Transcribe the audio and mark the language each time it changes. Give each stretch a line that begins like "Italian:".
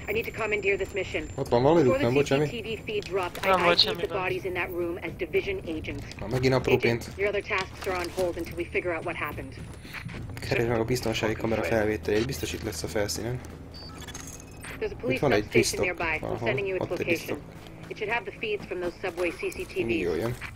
English: I need to commandeer this mission. What the hell are you doing? Before the CCTV feed dropped, I ID'd the bodies in that room as division agents. Agent, your other tasks are on hold until we figure out what happened.
Hungarian: Keresd meg a biztonsági kamera felvételét. Biztos itt lesz a felszínen.
English: There's a police substation nearby. We're sending you its location. It should have the feeds from those subway CCTVs.